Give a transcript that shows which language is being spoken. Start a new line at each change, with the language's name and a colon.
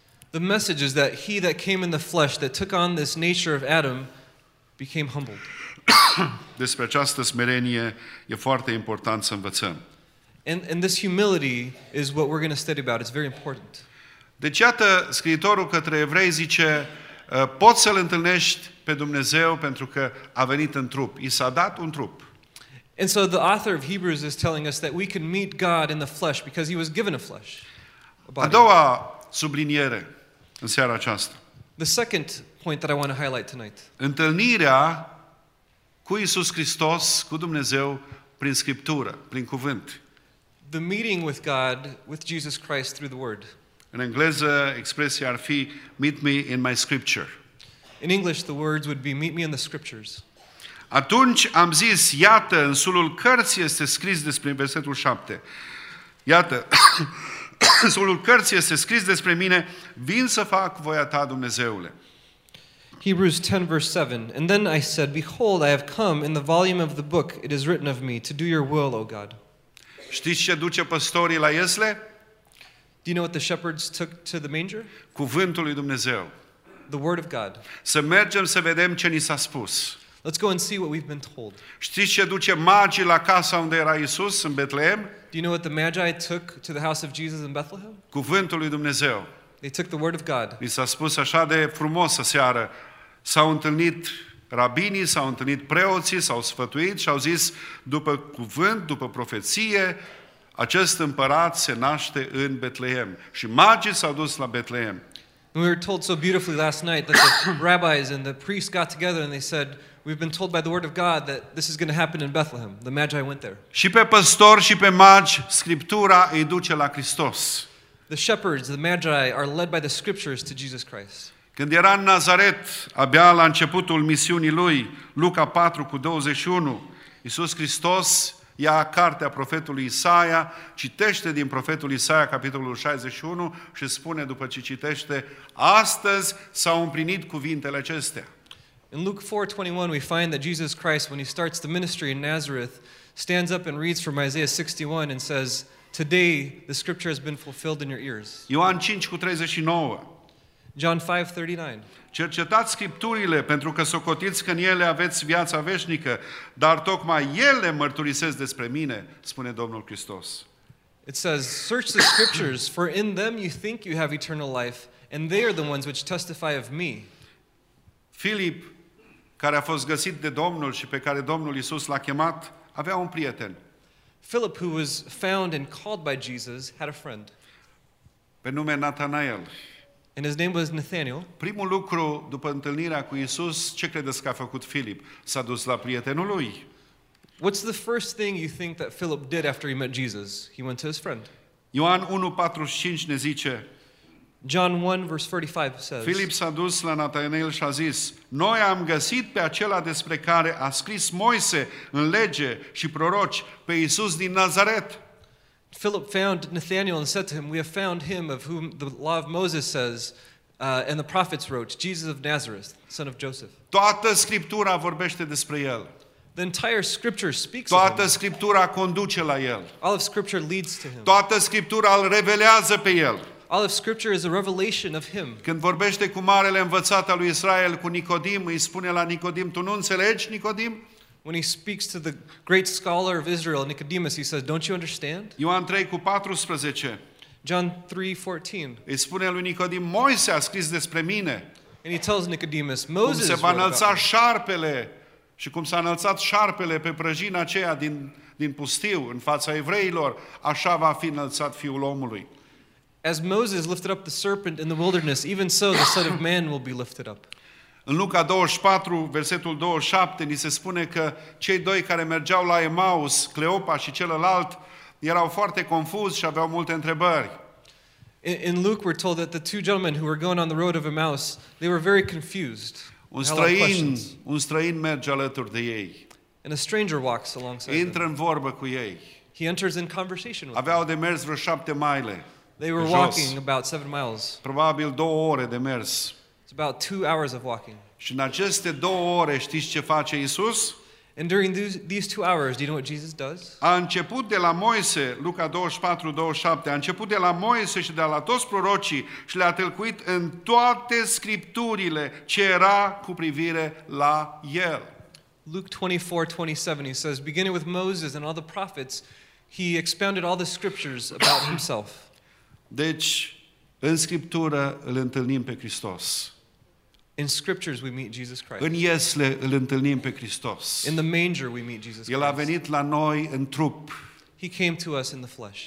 English: The message is that he that came in the flesh, that took on this nature of Adam, became humbled.
Romanian: Despre această smerenie e foarte important să învățăm.
English: And this humility is what we're going to study about. It's very important.
Romanian: Deci iată, Scriitorul către Evrei zice, poți să-L întâlnești pe Dumnezeu pentru că a venit în trup. I s-a dat un trup.
English: And so the author of Hebrews is telling us that we can meet God in the flesh because He was given a flesh.
Romanian: A doua subliniere în seara aceasta.
English: The second point that I want to highlight tonight.
Romanian: Întâlnirea cu Iisus Hristos, cu Dumnezeu, prin Scriptură, prin Cuvânt.
English: The meeting with God, with Jesus Christ through the Word.
Romanian: În engleză, expresia ar fi,
English: meet me in my scripture. In English, the words would be, meet me in the scriptures.
Romanian: Atunci am zis, iată, în sulul cărții este scris despre versetul 7. Iată, în sulul cărții este scris despre mine, vin să fac voia ta, Dumnezeule.
English: Hebrews 10, verse 7. And then I said, behold, I have come in the volume of the book, it is written of me, to do your will, O God.
Romanian: Știți ce duce păstorii la iesle?
English: Do you know what the shepherds took to the manger?
Romanian: Cuvântul lui Dumnezeu.
English: The word of God.
Romanian: Să mergem să vedem ce ni s-a spus.
English: Let's go and see what we've been told.
Romanian: Știți ce duce magii la casa unde era Iisus în Betleem?
English: Do you know what the magi took to the house of Jesus in Bethlehem?
Romanian: Cuvântul lui Dumnezeu.
English: They took the word of God.
Romanian: Ni s-a spus așa de frumos aseară. S-au întâlnit rabinii, s-au întâlnit preoții, s-au sfătuit și au zis, după cuvânt, după profeție, acest împărat se naște în Betleem. Și magii s-au dus la Betleem.
English: We were told so beautifully last night that the rabbis and the priests got together and they said, we've been told by the word of God that this is going to happen in Bethlehem. The magi went there.
Romanian: Și pe păstori și pe magi, Scriptura îi duce la Hristos.
English: The shepherds, the magi, are led by the scriptures to Jesus Christ.
Romanian: Când era în Nazaret, abia la începutul misiunii lui, Luca 4:21, Iisus Hristos ia cartea profetului Isaia, citește din profetul Isaia, capitolul 61, și spune după ce citește, astăzi s-au împlinit cuvintele acestea.
English: In Luke 4:21, we find that Jesus Christ, when he starts the ministry in Nazareth, stands up and reads from Isaiah 61 and says, today the scripture has been fulfilled in your ears.
Romanian: Ioan 5:39.
English: John 5:39.
Romanian: Cercetați scripturile pentru că socotiți că în ele aveți viața veșnică, dar tocmai ele mărturisesc despre mine, spune Domnul Hristos.
English: It says, search the scriptures, for in them you think you have eternal life, and they are the ones which testify of me.
Romanian: Filip, care a fost găsit de Domnul și pe care Domnul Iisus l-a chemat, avea un prieten.
English: Philip, who was found and called by Jesus, had a friend.
Romanian: Pe nume Nathanael.
English: And his name was Nathanael.
Romanian: Primul lucru după întâlnirea cu Iisus, ce credeți că a făcut Filip? S-a dus la prietenul lui.
English: What's the first thing you think that Philip did after he met Jesus? He went to his friend.
Romanian: Ioan 1:45 ne zice.
English: John 1:45 says.
Romanian: Filip s-a dus la Nathanael și a zis: Noi am găsit pe acela despre care a scris Moise în lege și proroci, pe Iisus din Nazaret.
English: Philip found Nathanael and said to him, We have found him of whom the law of Moses says and the prophets wrote, Jesus of Nazareth, son of Joseph.
Romanian: Toată Scriptura vorbește despre el.
English: The entire scripture speaks
Romanian: Toată Scriptura conduce la el.
English: All of scripture leads to him.
Romanian: Toată Scriptura îl revelează pe el.
English: All of scripture is a revelation of him.
Romanian: Când vorbește cu marele învățat al lui Israel, cu Nicodim, îi spune la Nicodim, tu nu înțelegi, Nicodim?
English: When he speaks to the great scholar of Israel, Nicodemus, he says, don't you understand?
Romanian: Ioan 3:14.
English: John 3:14.
Romanian: Îi spune lui Nicodim, Moise a scris despre mine.
English: And he tells Nicodemus, Moses
Romanian: cum se va înălța șarpele și cum s-a înălțat șarpele pe prăjina aceea din pustiu în fața evreilor, așa va fi înălțat fiul omului.
English: As Moses lifted up the serpent in the wilderness, even so the Son of Man will be lifted up.
Romanian: În Luca 24, versetul 27, ni se spune că cei doi care mergeau la Emaus, Cleopa și celălalt, erau foarte confuzi și aveau multe întrebări.
English: In Luke, we're told that the two gentlemen who were going on the road of Emmaus, they were very confused.
Romanian: Un străin merge alături de ei.
English: And a stranger walks alongside them.
Romanian: Intră în vorbă cu ei.
English: He enters in conversation with them.
Romanian: Aveau de mers vreo 7 mile.
English: They were walking about 7 miles.
Romanian: Probabil 2 ore de mers.
English: It's about 2 hours of walking.
Romanian: Și în aceste 2 ore, știți ce face Iisus?
English: And during these 2 hours, do you know what Jesus does?
Romanian: A început de la Moise, Luca 24:27, a început de la Moise și de la toți prorocii și le-a tâlcuit în toate scripturile ce era cu privire la el.
English: Luke 24:27, he says, beginning with Moses and all the prophets, he expounded all the scriptures about himself.
Romanian: Deci, în Scriptură îl întâlnim pe Hristos.
English: In scriptures we meet Jesus Christ.
Romanian: În iesle îl întâlnim pe Hristos.
English: In the manger we meet Jesus Christ.
Romanian: El a venit la noi în trup.
English: He came to us in the flesh.